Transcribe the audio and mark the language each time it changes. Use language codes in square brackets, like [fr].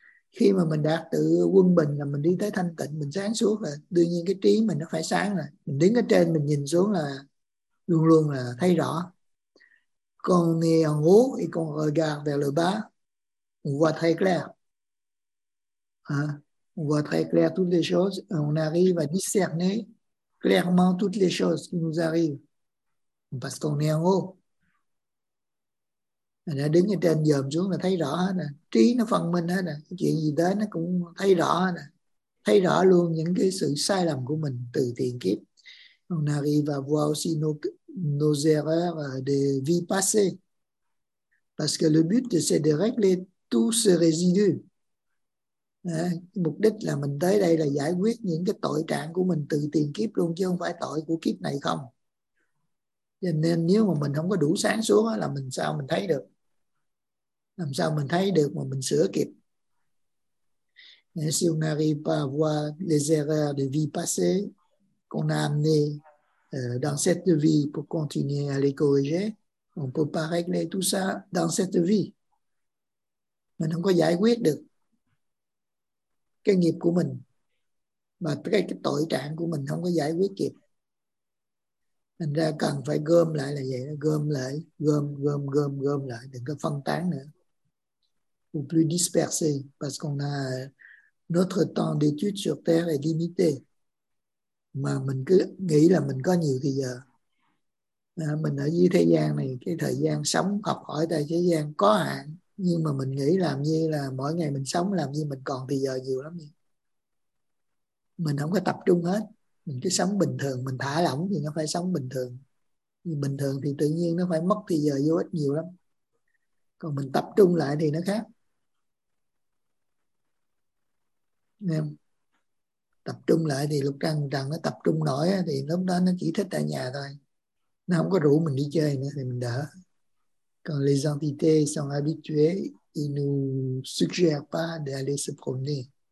[vi] Khi mà mình đạt tự quân bình là mình đi tới thanh tịnh, mình sáng suốt rồi. Đương nhiên cái trí mình nó phải sáng rồi. Mình đứng ở trên, mình nhìn xuống là luôn luôn là thấy rõ. Còn nghe hồn hú, thì còn ở gà về lời bá. [fr] On voit très clair. Hein? On voit très clair toutes les choses. On arrive à discerner clairement toutes les choses qui nous arrivent. Parce qu'on est en haut. On a [vi] đứng ở trên dòm xuống là thấy rõ hết nè. Trí nó phân minh hết nè. Chuyện gì đến nó cũng thấy rõ hết nè. Thấy rõ luôn những cái sự sai lầm của mình từ thiền kiếp. [fr] On arrive à voir aussi nos erreurs de vie passée. Parce que le but c'est de régler tout ce résidu. [vi] Đấy, mục đích là mình tới đây là giải quyết những cái tội trạng của mình từ tiền kiếp luôn, chứ không phải tội của kiếp này không. Cho nên nếu mà mình không có đủ sáng suốt là mình sao mình thấy được. Làm sao mình thấy được mà mình sửa kịp. [fr] Et si on n'arrive pas à voir les erreurs de vie passée qu'on a amené dans cette vie pour continuer à les corriger, on peut pas régler tout ça dans cette vie. [vi] Mình không có giải quyết được cái nghiệp của mình và cái tội trạng của mình không có giải quyết kịp. Thành ra cần phải gom lại là vậy, gom lại, đừng có phân tán nữa. Ou plus dispersé, parce qu'on a notre temps d'étude sur terre est limité. Mà mình cứ nghĩ là mình có nhiều thời giờ. Mình ở dưới thế gian này, cái thời gian sống học hỏi tại thế gian có hạn. Nhưng mà mình nghĩ làm như là mỗi ngày mình sống làm như mình còn thì giờ nhiều lắm. Mình không có tập trung hết. Mình cứ sống bình thường, mình thả lỏng thì nó phải sống bình thường. Bình thường thì tự nhiên nó phải mất thì giờ vô ích nhiều lắm. Còn mình tập trung lại thì nó khác. Em tập trung lại thì lúc trăng trăng nó tập trung nổi thì lúc đó nó chỉ thích ở nhà thôi. Nó không có rủ mình đi chơi nữa thì mình đỡ. [fr] Quand les entités sont habituées, ils ne nous suggèrent pas d'aller se promener.